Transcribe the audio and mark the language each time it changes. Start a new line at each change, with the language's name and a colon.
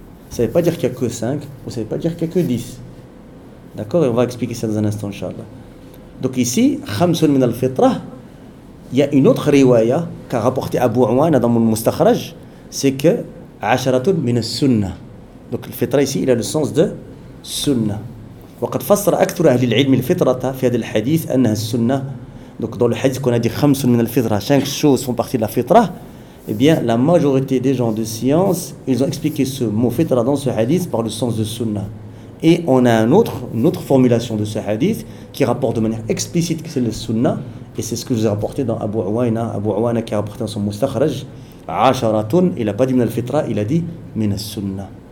French: Ça ne veut pas dire qu'il n'y a que 5, ou ça ne veut pas dire qu'il n'y a que 10. D'accord ? Et on va expliquer ça dans un instant, Inch'Allah. Donc ici, Khamsun min al-fitra, il y a une autre riwaya qu'a rapporté Abu Awan dans mon Mustakhraj, c'est que Asharatun min al-sunnah. Donc le fitra ici, il a le sens de sunnah.
Arabic: وقد فسر اكثر اهل العلم الفطره في هذا الحديث انها السنه.
French: Donc dans le hadith qu'on a dit
Arabic: خمس من الفطره,
French: 5 choses font partie de la fitra, eh bien la majorité des gens de science, ils ont expliqué ce mot fitra dans ce hadith par le sens de sunnah. Et on a une autre formulation de ce hadith qui rapporte de manière explicite que c'est le sunnah, et c'est ce que je vous ai rapporté dans Abu Uwayna qui a rapporté dans son mustakhraj 10, il a pas dit min al-fitra, il a dit min as-sunnah.